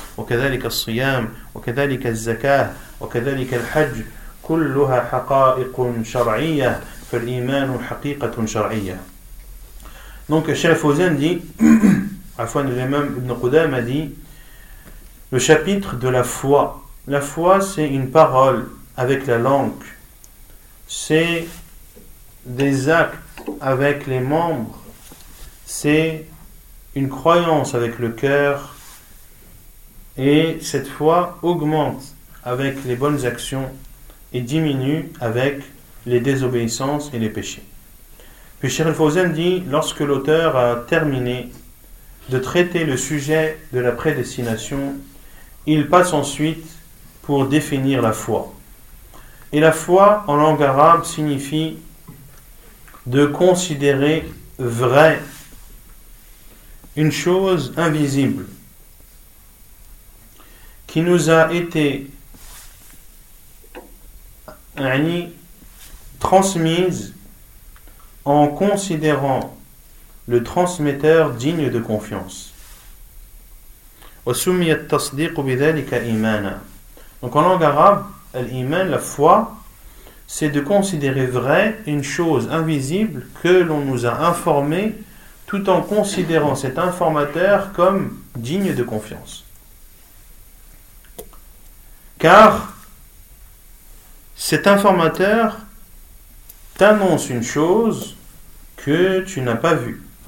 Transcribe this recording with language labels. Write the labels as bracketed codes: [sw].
[ar] وكذلك الصيام وكذلك الزكاة وكذلك الحج كلها حقائق شرعية، فالإيمان حقيقة شرعية. دونك الشيخ فوزان دي عفوا الإمام ابن قدامة دي [fr] le chapitre de la foi. La foi, c'est une parole avec la langue. C'est des actes avec les membres. C'est une croyance avec le cœur. Et cette foi augmente avec les bonnes actions et diminue avec les désobéissances et les péchés. Puis Cheikh Al-Fawzan dit, lorsque l'auteur a terminé de traiter le sujet de la prédestination, il passe ensuite pour définir la foi. Et la foi, en langue arabe, signifie de considérer vrai une chose invisible qui nous a été transmise en considérant le transmetteur digne de confiance. [ar] وَسُمِّيَ التَّصْدِيقُ بِذَلِكَ إِيمَانًا. [fr] Donc en langue arabe, l'iman, la foi, c'est de considérer vrai une chose invisible que l'on nous a informée tout en considérant cet informateur comme digne de confiance. Car cet informateur t'annonce une chose que tu n'as pas vue.